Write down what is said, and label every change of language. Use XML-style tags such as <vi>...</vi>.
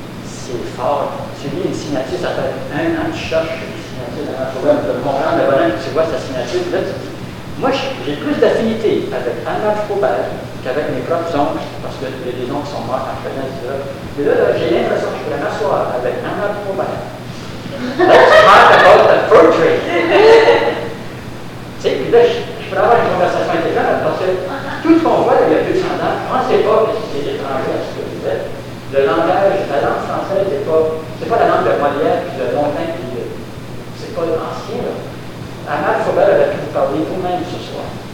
<fr>C'est fort. Tu lis une signature, ça fait un an que tu cherches une signature dans un programme de Montréal, de Bonham, tu vois sa signature. Puis là, tu dis, moi, j'ai plus d'affinité avec Anne-Marie Faubert qu'avec mes propres oncles, parce que les deux oncles sont morts quand je connais ça. Et là, j'ai l'impression que je pourrais m'asseoir avec Anne-Marie Faubert.</fr> <en>Let's talk about the fruit tree.</en> <fr>Tu sais, puis là, je pourrais avoir une conversation intelligente parce que tout ce qu'on voit il y a 200 ans, pensez pas que c'est étranger à ce que vous êtes. Le langage, la langue française, c'est pas la langue de Molière, puis de Montaigne, puis de. C'est pas l'ancien, là. Anne-Marie Faubert avait pu vous parler vous-même ce soir.</fr>